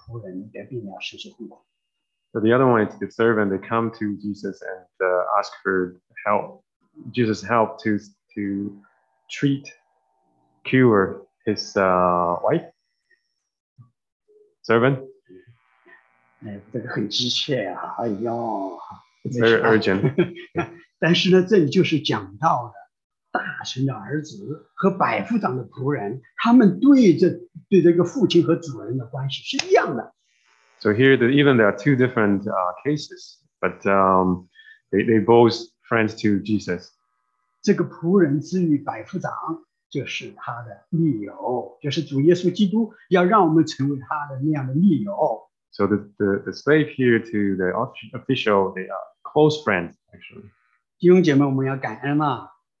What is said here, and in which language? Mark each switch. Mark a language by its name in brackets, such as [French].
[Chinese] 另外一个是个百夫长的仆人，他也是来求耶稣，因为他的仆人的病要实施痛苦。 [English] So the other one is the servant that come to Jesus and ask for help, Jesus' help to treat, cure his wife, servant. [Chinese] 哎，这个很急切啊！哎呦， [English] very urgent. [Chinese] 但是呢，这里就是讲到的大臣的儿子和百夫长的仆人，他们对这个父亲和主人的关系是一样的。 [English] So here, there are two different cases, but they both friends to Jesus. [Chinese] 这个仆人之于百夫长，就是他的密友，就是主耶稣基督要让我们成为他的那样的密友。 [English] So the slave here to the official, they are close friends, actually. [Chinese] 弟兄姐妹，我们要感恩啊。